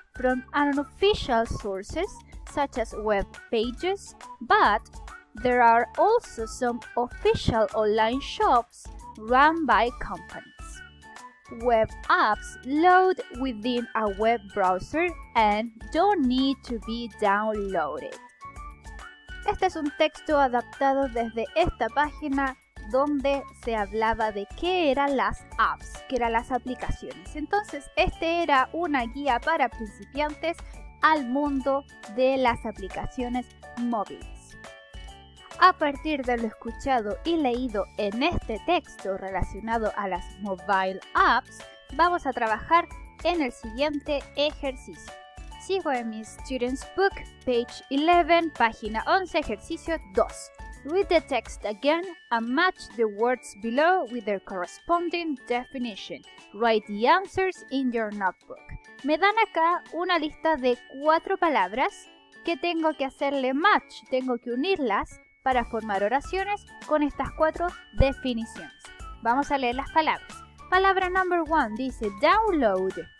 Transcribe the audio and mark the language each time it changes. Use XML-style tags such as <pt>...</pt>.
<en>from unofficial sources such as web pages, but there are also some official online shops run by companies. Web apps load within a web browser and don't need to be downloaded.</en> <es>Este es un texto adaptado desde esta página donde se hablaba de qué eran las apps, qué eran las aplicaciones. Entonces, este era una guía para principiantes al mundo de las aplicaciones móviles. A partir de lo escuchado y leído en este texto relacionado a las mobile apps, vamos a trabajar en el siguiente ejercicio. Sigo en mi</es> <en>Student's Book, page 11,</en> <es>página 11, ejercicio 2.</es> <en>Read the text again and match the words below with their corresponding definition. Write the answers in your notebook.</en> <es>Me dan acá una lista de cuatro palabras que tengo que hacerle match, tengo que unirlas para formar oraciones con estas cuatro definiciones. Vamos a leer las palabras. Palabra</es> <en>number one</en> <es>dice download.</es>